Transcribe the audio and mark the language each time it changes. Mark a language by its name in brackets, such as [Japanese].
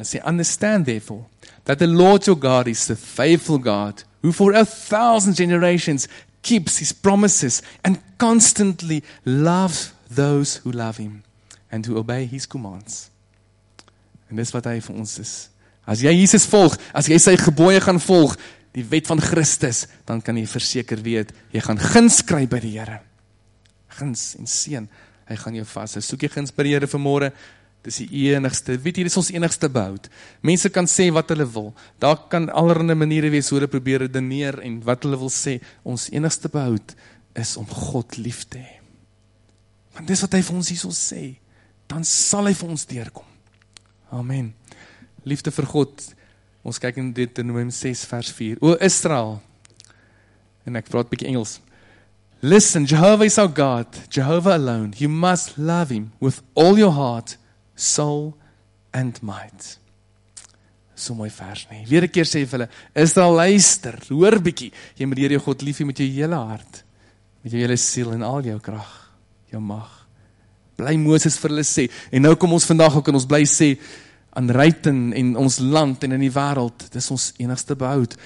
[Afrikaans] Hy sê, [English] understand therefore, that the Lord your God is the faithful God, who for 1000 generations keeps his promises and constantly loves those who love him and who obey his commands. [Afrikaans] En dis wat hy vir ons is. As jy Jesus volg, as jy sy gebooie gaan volg, die wet van Christus, dan kan jy verseker weet, jy gaan guns kry by die Here. Guns en seën, hy gaan jou vashou. Soek jy guns by die Here vanmôre, dis die enigste. Weet jy, dis ons enigste behoud. Mense kan sê wat hulle wil. Daar kan allerlei maniere wees hoe hulle probeer redeneer en wat hulle wil sê. Ons enigste behoud is om God lief te hê. Want dis wat hy vir ons hierso sê, dan sal hy vir ons deurkom. Amen. Liefde vir God. Ons kyk in Deuteronomium 6 vers 4. O Israel, en ek praat 'n bietjie Engels. [English] Listen, Jehovah is our God, Jehovah alone. You must love him with all your heart, soul and might. [Afrikaans] So mooi vers, nee. Weer 'n keer sê hy vir hulle, Israel, luister, hoor bietjie. Jy moet die Here jou God lief hê met jou hele hart, met jou hele siel en al jou krag. Jou mag. Bly Moses vir hulle sê. En nou kom ons vandag ook en ons bly sê aan Ryten en ons land en in die wêreld, dis ons enigste behoud.